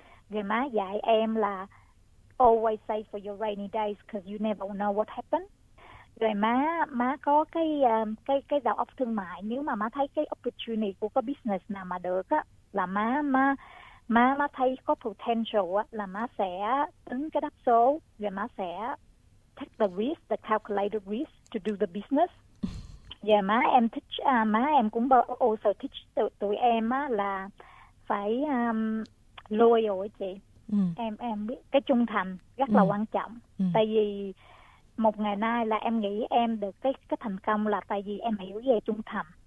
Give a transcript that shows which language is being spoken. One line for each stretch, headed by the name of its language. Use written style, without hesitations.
Vietnamese: Rồi má dạy em là
English: always save for your rainy days because you never know what happened.
Vietnamese: Rồi má có cái đầu óc thương mại. Nếu mà má thấy cái opportunity của cái business nào mà được á, là má thấy có potential á, là má sẽ tính cái đáp số. Rồi má sẽ
English: take the risk, the calculated risk to do the business.
Vietnamese: Rồi má em cũng
English: also teach
Vietnamese: tụi em á, là phải loyal ấy chị. Em biết cái trung thành rất là quan trọng. Tại vì một ngày nay là em nghĩ em được cái thành công là tại vì em hiểu về trung thành.